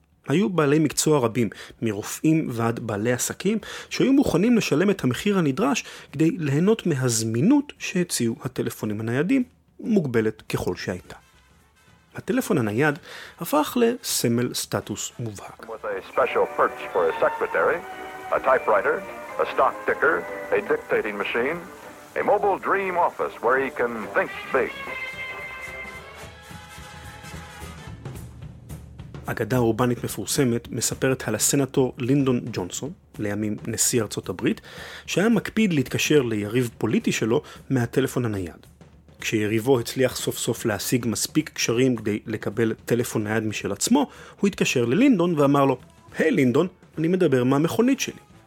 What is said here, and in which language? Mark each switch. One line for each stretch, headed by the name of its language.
Hebrew: היו בעלי מקצוע רבים, מרופאים ועד בעלי עסקים, שהיו מוכנים לשלם את המחיר הנדרש כדי ליהנות מהזמינות שהציעו הטלפונים הניידים, מוגבלת ככל שהייתה. הטלפון הנייד הפך לסמל סטטוס מובהק.
English: With a special perch for a secretary, a typewriter, a stock ticker, a dictating machine, a mobile dream office where he can think big.
Hebrew: אגדה אורבנית מפורסמת מספרת על הסנטור לינדון ג'ונסון, לימים נשיא ארצות הברית, שהיה מקפיד להתקשר ליריב פוליטי שלו מהטלפון הנייד. כשיריבו הצליח סוף סוף להשיג מספיק קשרים כדי לקבל טלפון נייד משל עצמו, הוא התקשר ללינדון ואמר לו, היי לינדון, אני מדבר מהמכונית שלי.